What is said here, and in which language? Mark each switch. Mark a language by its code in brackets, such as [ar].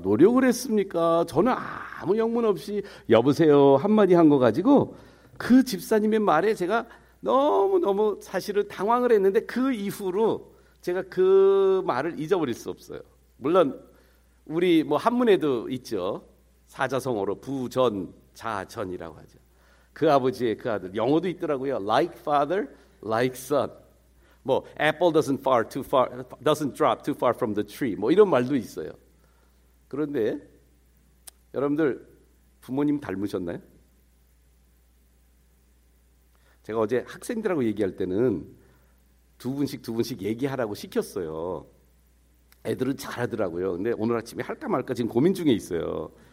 [ko] 노력을 했습니까? 저는 아무 영문 없이 여보세요 한마디 한 거 가지고 그 집사님의 말에 제가 너무너무 사실을 당황을 했는데 그 이후로 제가 그 말을 잊어버릴 수 없어요. 물론 우리 뭐 한문에도 있죠. 사자성어로 부전 자전이라고 하죠. 그 아버지의 그 아들 영어도 있더라고요. [en] Like father, like son. 뭐 apple doesn't drop too far from the tree. [ko] 뭐 이런 말도 있어요. 그런데 여러분들 부모님 닮으셨나요? 제가 어제 학생들하고 얘기할 때는 두 분씩 얘기하라고 시켰어요. 애들은 잘하더라고요. 근데 오늘 아침에 할까 말까 지금 고민 중에 있어요.